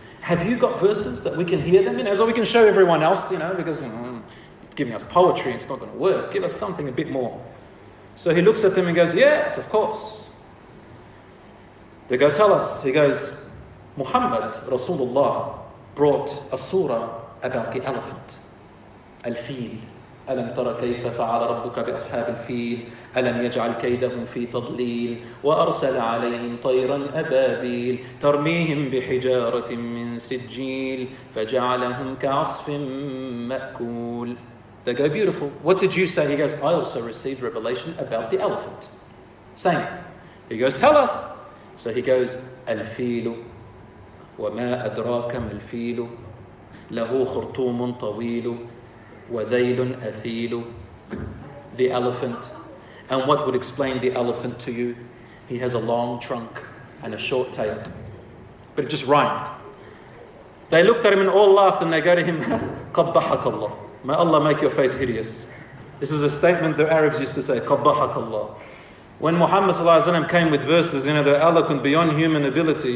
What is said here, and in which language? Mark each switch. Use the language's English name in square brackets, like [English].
[English] Have you got verses that we can hear them in? As we can show everyone else, you know, because it's giving us poetry and it's not going to work. Give us something a bit more. So he looks at them and goes, yes, of course. They go, tell us. He goes, Muhammad, Rasulullah, brought a surah about the elephant, al-fil. [Arabic] أَلَمْ تَرَ كَيْفَ فَعَلَ رَبُّكَ بِأَصْحَابِ الْفِيلِ أَلَمْ يَجْعَلْ كَيْدَهُمْ فِي تَضْلِيلٍ وَأَرْسَلَ عَلَيْهِمْ طَيْرًا أَبَابِيلَ تَرْمِيهِمْ بِحِجَارَةٍ مِّن سِجِّيلٍ فَجَعَلَهُمْ كَعَصْفٍ مَأْكُولٍ [English] They go, beautiful. What did you say? He goes, I also received revelation about the elephant. Same. He goes, tell us. So he goes, [Arabic] الْفِيلُ وَمَا أَدْرَاكَ مَا الْفِيلُ لَهُ خُرْطُومٌ طَوِيلٌ وَذَيْلٌ أَثِيلٌ [English] The elephant. And what would explain the elephant to you? He has a long trunk and a short tail. But it just rhymed. They looked at him and all laughed and they go to him, [Arabic] قَبَّحَكَ اللَّهُ [English] May Allah make your face hideous. This is a statement the Arabs used to say, [Arabic] قَبَّحَكَ اللَّهُ [English] When Muhammad sallallahu alayhi wa sallam came with verses, you know, they're eloquent beyond human ability.